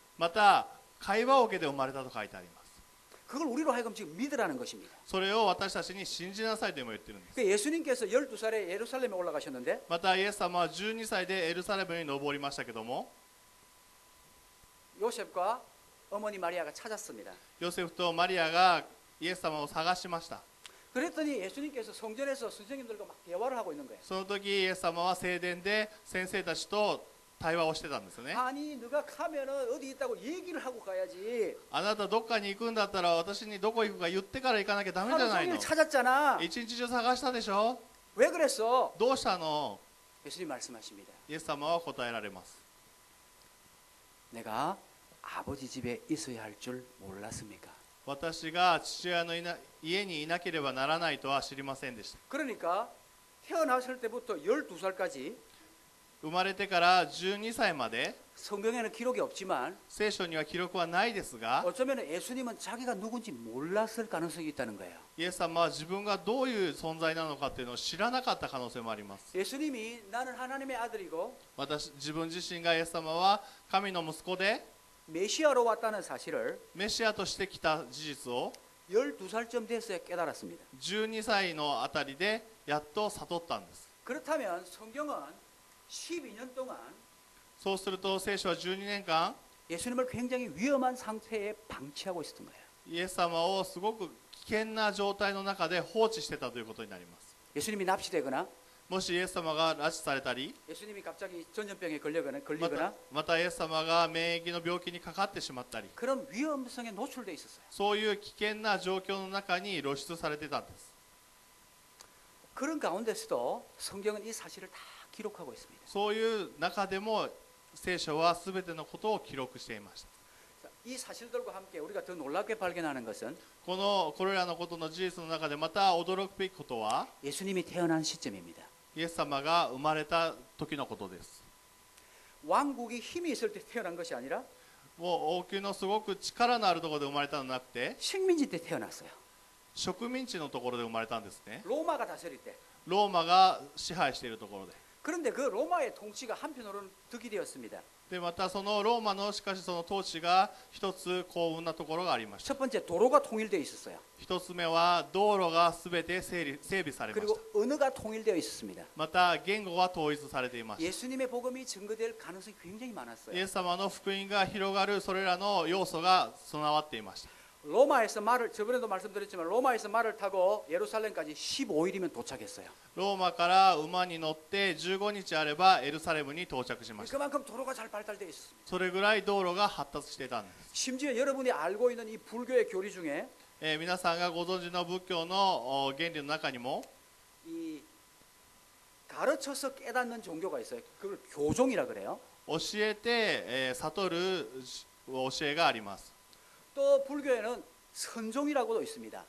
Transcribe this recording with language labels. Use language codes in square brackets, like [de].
[ja] また会話桶で生まれたと書いてあります [ko] 그걸우리로하여금지금믿으라는것입니다 [ja] それを私たちに信じなさいとも言ってるんです [ko] 예수님께서12살에예루살렘에올라가셨는데 [ja] またイエス様は12歳でエルサレムに登りましたけども [ko] 요셉과어머니마리아가찾았습니다 [ja] 요셉とマリアがイエス様を探しました [ko] 그랬더니예수님께서성전에서선생님들과막대화를하고있는거예요 [ja] その時イエス様は聖殿で先生たちと対話をしてたんですね。 [ko] 아니누가가면은어디있다고얘기를하고가야지。 [ja] あなたどっかに行くんだったら私にどこ行くか言ってから行かなきゃダメじゃないの。 [ko] 하루종일찾았잖아。 [ja] 一日中探したでしょ。 [ko] 왜그랬어？ [ja] どうしたの？ [ko] 예수님말씀하십니다。 [ja] イエス様は答えられます。 [ko] 내가아버지집에있어야할줄몰랐습니까？ [ja] 私が父親の家にいなければならないとは知りませんでした。 [ko] 그러니까태어나실때부터12살까지 [ja] 生まれてから12歳まで [ko] 성경에는기록이없지만 [ja] 聖書には記録はないですが [ko] 어쩌면예수님은자기가누군지몰랐을가능성이있다는거예요 [ja] イエス様は自分がどういう存在なのかっていうのを知らなかった可能性もあります [ko] 예수님이나는하나님의아들이고 [ja] また自分自身がイエス様は神の息子で [ko] メシア로왔다는사실을 [ja] メシアとして来た事実を [ko] 12살쯤됐어야깨달았습니다 [ja] 12歳のあたりでやっと悟ったんです [ko] 그렇다면성경은12년동안 [ja] そうすると聖書は12年間 [ko] 예수님을굉장히위험한상태에방치하고있었던거예요 [ja] イエス様をすごく危険な状態の中で放置してたということになります [ko] 예수님이납치되거나 [ja] もしイエス様が拉致されたり [ko] 예수님이갑자기전염병에걸리거나 [ja] またイエス様が免疫の病気にかかってしまったり [ko] 그런위험성에노출되어있었어요 [ja] そういう危険な状況の中に露出されてたんです [ko] 그런가운데서도성경은이사실을다기록하고있습니다 [ja] そういう中でも聖書は全てのことを記録していました [ko] いい사실들과함께우리가더놀랍게발견하는것은 [ja] このこれらのことの事実の中でまた驚くべきことは [ko] 예수님이태어난시점입니다 [ja] イエス様が生まれた時のことです [ko] 왕국이힘이있을때태어난것이아니라 [ja] もう王宮のすごく力のあるところで生まれたのではなくて [ko] 식민지때태어났어요 [ja] 植民地のところで生まれたんですね [ko] ローマが다스릴때 [ja] ローマが支配しているところで [ko] 그런데그로마의통치가한편으로는득이되었습니다 [ja] で、またそのローマのしかしその統治が一つ幸運なところがありました [ko] 첫번째도로가통일되어있었어요 [ja] 一つ目は道路がすべて整備されました [ko] 그리고언어가통일되어있었습니다 [ja] また言語が統一されていました [ko] 예수님의복음이증거될가능성이굉장히많았어요 [ja] イエス様の福音が広がるそれらの要素が備わっていました [ko] 로마에서말을저번에도말씀드렸지만로마에서말을타고예루살렘까지15일이면도착했어요 [ja] 로마から馬に乗って15日あればエルサレムに到着しました [ko] 그만큼도로가잘발달되어있었습니 [ja] 다それぐらい道路が発達してたんです [ko] 심지어여러분이알고있는이불교의교리중에 [ja] 皆さんがご存知の仏教の原理の中にも [ko] 이가르쳐서깨닫는종교가있어요그걸교종이라그래요 [ja] 教えて悟る教えがあります [ko] 또불교에는선종이라고도있습니다